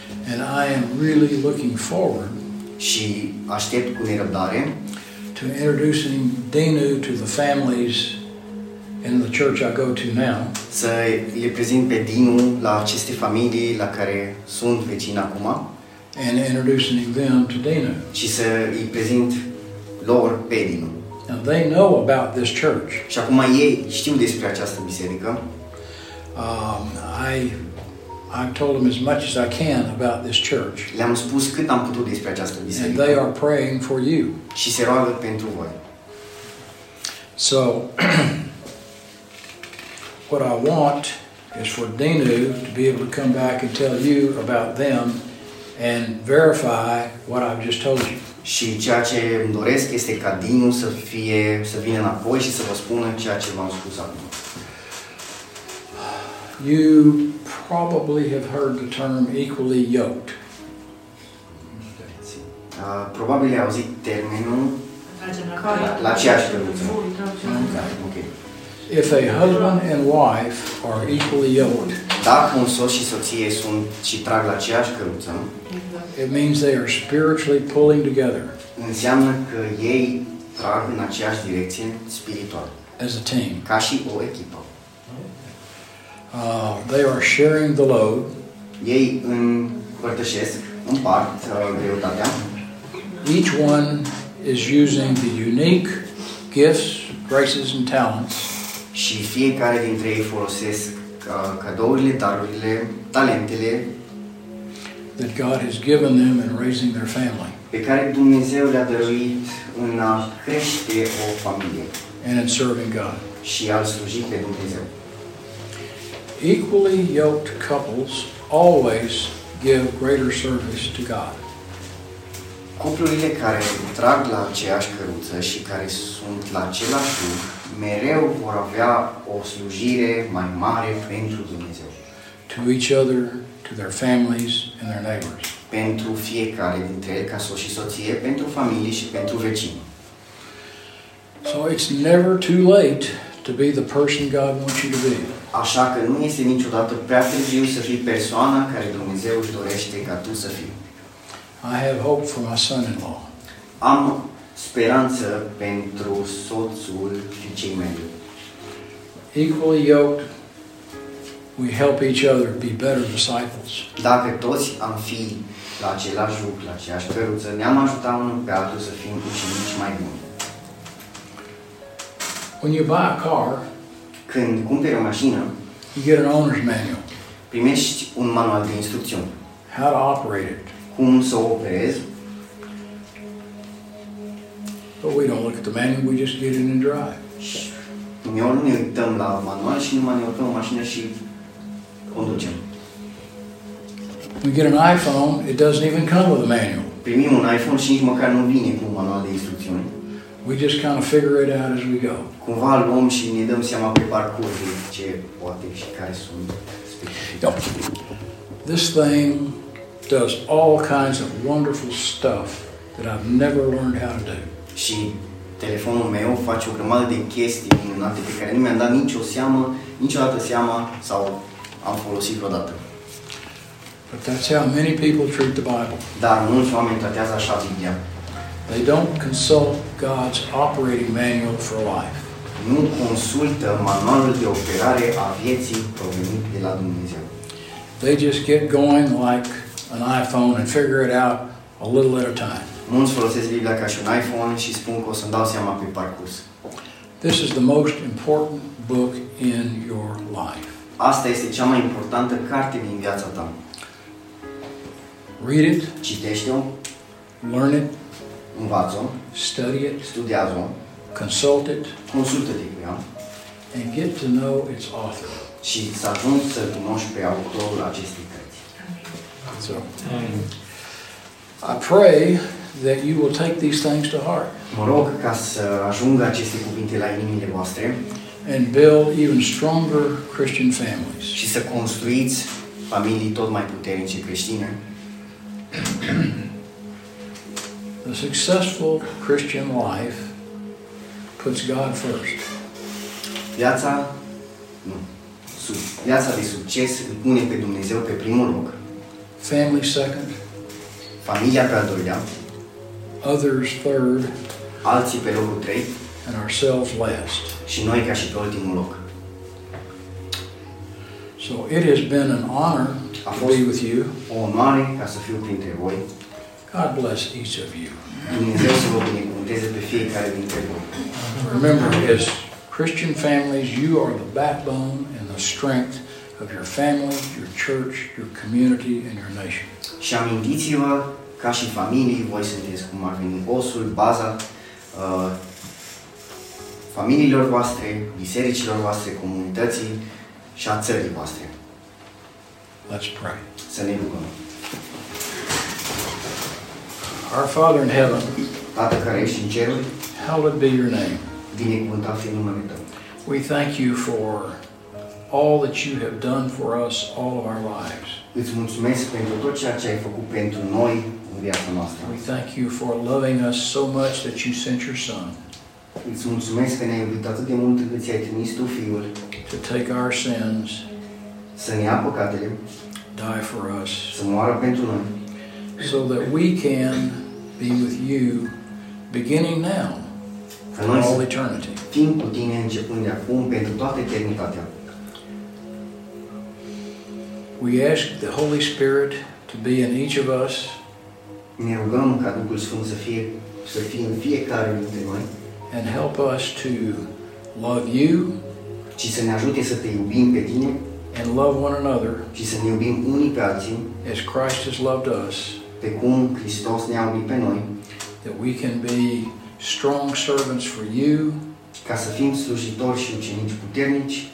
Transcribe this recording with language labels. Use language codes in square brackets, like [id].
[en] And I am really looking forward. [ro] Și aștept cu nerăbdare [en] to introducing Denu to the families in the church I go to now. [ro] Să le prezint pe Denu la aceste familii la care sunt vecin acum. [en] And introducing them to Denu. [ro] Și să îi prezint lor pe Denu. [en] And they know about this church. [ro] Și acum ei știu despre această biserică. [en] I've told them as much as I can about this church. [ro] Le-am spus cât am putut despre această biserică. [en] And they are praying for you. [ro] Și se roagă pentru voi. [en] So, what I want is for Denu to be able to come back and tell you about them and verify what I've just told you. [ro] Și ceea ce îmi doresc este ca Denu să vină înapoi și să vă spună ceea ce v-am spus acum. [en] You probably have heard the term equally yoked. [ro] Probabil ai auzit termenul la aceeași fel. [en] Okay. If a husband and wife are equally yoked, [ro] dacă un soț și soție sunt și trag la aceeași căruță, [en] it means they are spiritually pulling together. [ro] Înseamnă că ei trag în aceeași direcție spirituală. [en] As a team. [ro] Ca și o echipă. [en] They are sharing the load. [ro] Ei împărtășesc, împart greutatea. [en] Each one is using the unique gifts, graces and talents. [ro] Și fiecare dintre ei folosesc cadourile, darurile, talentele [en] that God has given them in raising their family. [ro] Pe care Dumnezeu le-a dăruit în a crește o familie. [en] And in serving God. [ro] Și a sluji pe Dumnezeu. [en] Equally yoked couples always give greater service to God. [ro] Cuplurile care trag la aceeași căruță și care sunt la același loc mereu vor avea o slujire mai mare pentru Dumnezeu. [en] To each other, to their families and their neighbors. [ro] Pentru fiecare dintre ei, ca soț și soție, pentru familie și pentru vecini. [en] So it's never too late to be the person God wants you to be. [ro] Așa că nu este niciodată prea târziu să fii persoana care Dumnezeu își dorește ca tu să fii. [en] I have hope for my son-in-law. [ro] Am speranță pentru soțul fiicei mele. [en] Equally yoked, we help each other be better disciples. [ro] Dacă toți am fi la același loc, la aceeași căruță, ne-am ajutat unul pe altul să fim ucenici mai buni. [en] When you buy a car, [ro] când cumperi o mașină, [en] you get an owner's manual. [ro] Primești un manual de instrucțiuni. [en] How to operate it. [ro] Cum să o operezi. [en] But we don't look at the manual, we just get in and drive. [ro] Uneori ne uităm la manual și numai ne urcăm o mașină și conducem. [en] We get an iPhone, it doesn't even come with a manual. [ro] Primim un iPhone și nici măcar nu vine cu un manual de instrucțiuni. [en] We just kind of figure it out as we go. [ro] Cumva luăm și ne dăm seama pe parcurs de ce poate și care sunt specificitățile. [en] This thing does all kinds of wonderful stuff that I've never learned how to do. [ro] Și telefonul meu face o grămadă de chestii minunate pe care nu mi-am dat niciodată seama sau am folosit vreodată. [en] But that's how many people treat the Bible. [ro] Dar mulți oameni tratează așa Biblia. [en] They don't consult God's operating manual for life. [ro] Nu consultă manualul de operare a vieții provenit de la Dumnezeu. [en] They just get going like an iPhone and figure it out a little at a time. [ro] Mulți folosesc Biblia ca și un iPhone și spun că o să-mi dau seama pe parcurs. [en] This is the most important book in your life. [ro] Asta este cea mai importantă carte din viața ta. [en] Read it. [ro] Citește-o. [en] Learn it. [ro] Învață-o. [en] Study it. [ro] Studiază-o. [en] Consult it. [ro] Consultă-te cu ea. [en] And get to know its author. [ro] Și să ajungi să cunoști pe autorul acestei cărți. [en] So, I pray that you will take these things to heart. [ro] Mă rog ca să ajungă aceste cuvinte la inimile voastre. [en] And build even stronger Christian families. [ro] Și să construiți familii tot mai puternice creștine. [en] A successful Christian life puts God first. [ro] Viața de succes îl pune pe Dumnezeu pe primul loc. [en] Family second. [ro] Familia pe al doilea. [en] Others third. [ro] Alții pe locul trei. [en] And ourselves last. [ro] Și noi ca și pe ultimul loc. [en] So it has been an honor to be with you. [ro] O onoare ca să fiu printre voi. [en] God bless each of you. [ro] Dumnezeu să vă binecuvânteze pe fiecare dintre voi. [en] Remember, as Christian families, you are the backbone and the strength of your family, your church, your community, and your nation. [ro] Și amintiți-vă, ca și familie, voi sunteți cum ar veni osul, baza familiilor voastre, bisericilor voastre, comunității și a țării voastre. [en] Let's pray. [ro] Să ne rugăm. [en] Our Father in heaven, [ro] Tată care ești în ceruri, [en] hallowed be your name. [ro] Binecuvântat fie numele tău. [en] We thank you for all that you have done for us all of our lives. [ro] Îți mulțumesc pentru tot ceea ce ai făcut pentru noi în viața noastră. [en] We thank you for loving us so much that you sent your son. [ro] Îți mulțumesc că ne-ai iubit atât de mult încât ți-ai trimis tu fiul. [en] To take our sins. [ro] Să ne ia păcatele. [en] Die for us. [ro] Să moară pentru noi. [en] So that we can be with you beginning now for all eternity. [ro] Fim cu tine începând de acum pentru toată eternitatea. [en] We ask the Holy Spirit to be in each of us. [ro] Ne rugăm ca Duhul Sfânt să fie în fiecare dintre noi. [en] And help us to love you. [ro] Și să ne ajute să te iubim pe tine. [en] And love one another. [ro] Și să ne iubim unii pe alții. [en] As Christ has loved us. [ro] Pe cum Hristos ne-a iubit pe noi. [en] That we can be strong servants for you. [ro] Ca să fim slujitori și ucenici puternici.